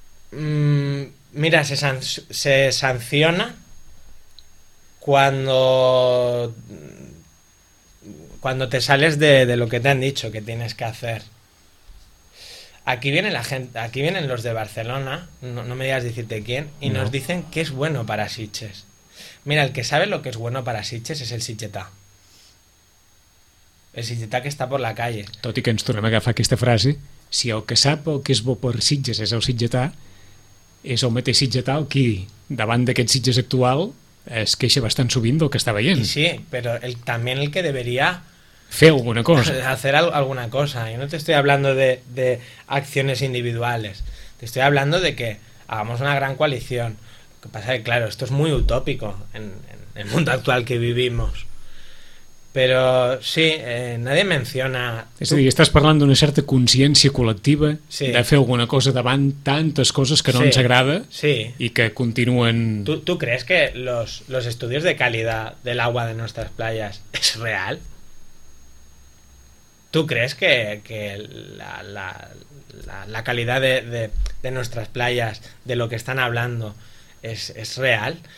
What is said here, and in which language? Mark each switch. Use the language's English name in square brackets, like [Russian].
[Spanish] Mira, se sanciona cuando te sales de lo que te han dicho que tienes que hacer. Aquí viene la gente, aquí vienen los de Barcelona, no me digas decirte quién, y no. Nos dicen que es bueno para Sitges. Mira, el que sabe lo que es bueno para Sitges es el Sitgetà. El Sitgetà que está por la calle. [Catalan] Tot i que ens tornem a agafar aquesta frase, si el que sap el que és bo per Sitges és el Sitgetà, és el mateix Sitgetà el qui, davant d'aquest Sitges actual, es queixa bastant sovint del que està veient. I sí, però també el que deveria... Fer alguna cosa. [Spanish] Hacer alguna cosa. Yo no te estoy hablando de acciones individuales. Te estoy hablando de que hagamos una gran coalición. Lo que pasa es que, claro, esto es muy utópico en el mundo actual que vivimos. Pero sí, nadie menciona... [Catalan] És a dir, estàs parlant d'una certa consciència col·lectiva, sí, de fer alguna cosa davant tantes coses que no, sí, ens agrada, sí, i que continuen... [Spanish] ¿Tú crees que los estudios de calidad del agua de nuestras playas es real? ¿Tú crees que la calidad de nuestras playas, de lo que están hablando, es real?